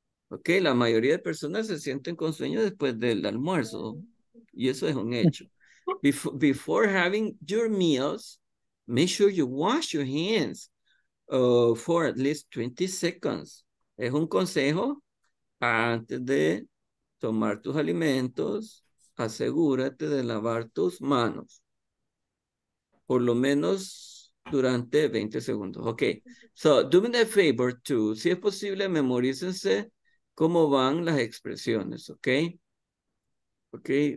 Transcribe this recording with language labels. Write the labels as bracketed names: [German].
[Spanish] Okay, la mayoría de personas se sienten con sueño después del almuerzo. Y eso es un hecho. [English] Before having your meals, make sure you wash your hands for at least 20 seconds. [Spanish] Es un consejo. Antes de tomar tus alimentos, asegúrate de lavar tus manos. Por lo menos durante 20 segundos. Ok. [English] So, do me the favor to, [Spanish] si es posible, memorícense cómo van las expresiones. Ok. Ok.